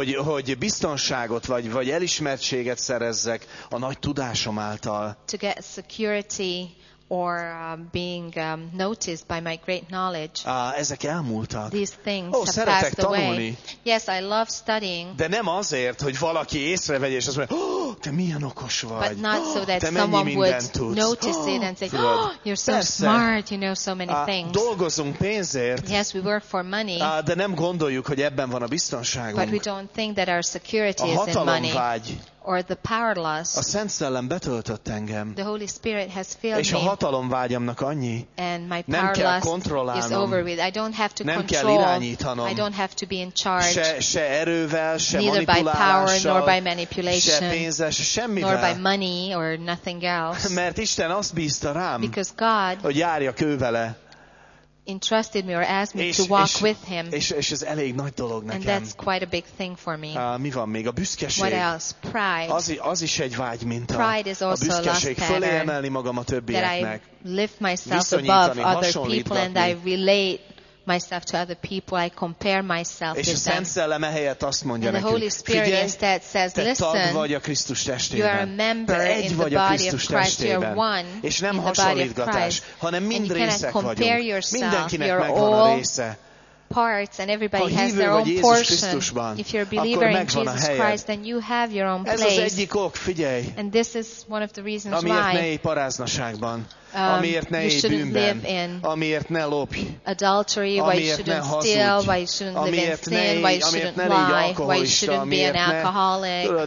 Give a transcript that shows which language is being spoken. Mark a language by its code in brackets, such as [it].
[hu] hogy biztonságot vagy elismertséget szerezzek a nagy tudásom által, [en] to get security or being noticed by my great knowledge. [hu] Ezek elmúltak. [en] These things have passed away. Yes, I love studying. [hu] De nem azért, hogy valaki észrevegye és azt mondja, oh, te milyen okos vagy. [en] But not so that someone would notice it and say, oh, you're so smart, you know so many things. [hu] Dolgozunk pénzért. [en] Yes, we work for money. [hu] De nem gondoljuk, hogy ebben van a biztonságunk. [en] But we don't think that our security is in money. Or the power lust. [hu] A Szent Szellem betöltött engem. [en] The Holy Spirit has filled me. [hu] És a hatalom vágyamnak annyi. [en] And my power [hu] nem kell [en] lust [hu] kontrollálnom. [en] Is over with. I don't have to [hu] nem [en] control. [hu] Kell irányítanom. [en] I don't have to be in charge. [hu] Se erővel, se [en] neither [hu] manipulálással, [en] by power nor by manipulation. [hu] Se pénzzel, se semmivel. [en] Nor by money or nothing else. [hu] Mert Isten azt bízta rám. [en] Because God. [hu] Hogy járjak ő vele. [en] Entrusted me or asked me to walk with him. [hu] És ez elég nagy dolog nekem. [en] And that's quite a big thing for me. [hu] Mi van még? A büszkeség. [en] What else? Pride. [hu] Az is egy vágy, mint a. [en] Pride is also [hu] a büszkeség. Fölé emelni magam a többieknek. [en] Lift myself above other people and I relate myself to other people. I compare myself with them. [hu] És a Szent Szellem ehelyett azt mondja nekünk. [en] The Holy Spirit instead says, listen. [hu] Te tag vagy a Krisztus testében. [en] You are a member in the body of Christ. You are one. [hu] És nem hasonlítgatás, hanem mind részek vagyunk. Mindenkinek megvan a része. [en] Parts and everybody has their own portion. If you're a believer in Jesus Christ, then you have your own place. [hu] Ez az egyik ok, figyelj. [en] And this is one of the reasons [hu] amiért [en] why. [hu] Amiért ne élj paráznaságban. Amiért ne élj bűnben. Amiért ne lopj. [en] Adultery, [hu] amiért [en] why you shouldn't steal, why you shouldn't live in sin, why you shouldn't lie, why you shouldn't be an alcoholic.